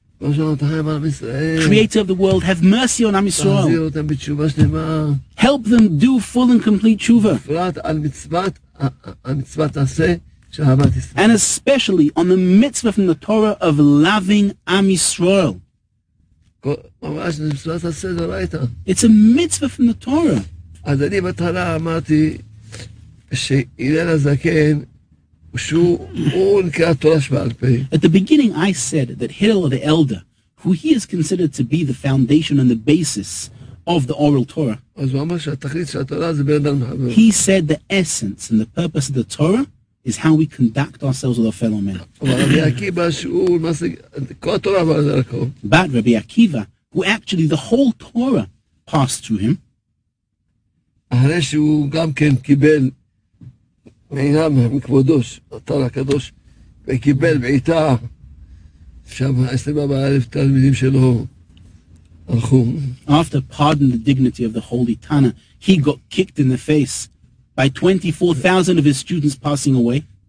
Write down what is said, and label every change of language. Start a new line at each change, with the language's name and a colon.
English: Creator of the world, have mercy on Am Yisrael. Help them do full and complete tshuva. And especially on the mitzvah from the Torah of loving Am Yisrael. It's a mitzvah from the Torah.
Hebrew: אז אני בתחילה אמרתי שאילן הזקן שהוא נקרא תורה שבעל פה.
English: At the beginning I said that Hillel the elder, who he is considered to be the foundation and the basis of the oral Torah,
Hebrew: אז הוא אמר שהתכלית של התורה זה בין אדם לחברו.
English: He said the essence and the purpose of the Torah is how we conduct ourselves with our fellow men. But Rabbi Akiva, who actually the whole Torah passed through him, after pardon the dignity of the holy Tana, he got kicked in the face by 24,000 of his students passing away.